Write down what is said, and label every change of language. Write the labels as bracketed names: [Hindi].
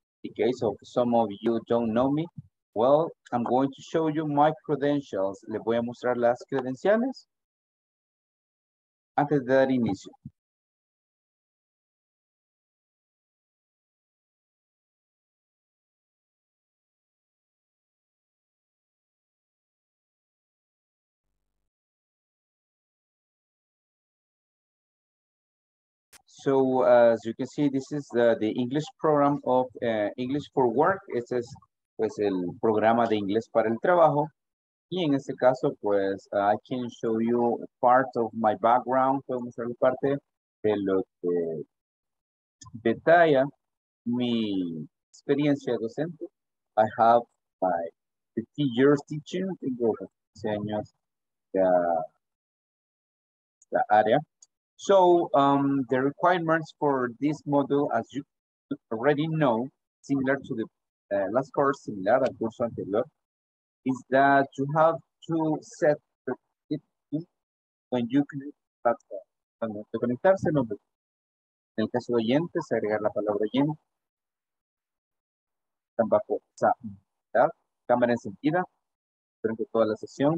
[English] In case of some of you don't know me, well, I'm going to show you my credentials. [Spanish] Les voy a mostrar las credenciales antes de dar inicio. [English] So as you can see, this is the English program of English for Work. [Spanish] Este es pues el programa de inglés para el trabajo. Y en este caso, pues [English] I can show you part of my background. [Spanish] Puedo mostrar parte de lo que detalla mi experiencia docente. [English] I have my 50 years teaching. [Spanish] Tengo 15 años de la área. [English] So, the requirements for this module, as you already know, similar to the last course, [Spanish] similar al curso anterior, [English] is that you have to set it when you connect to [Spanish] conectarse. No, en el caso de oyentes, agregar la palabra oyente. Tampoco, o sea, cámara encendida durante toda la sesión.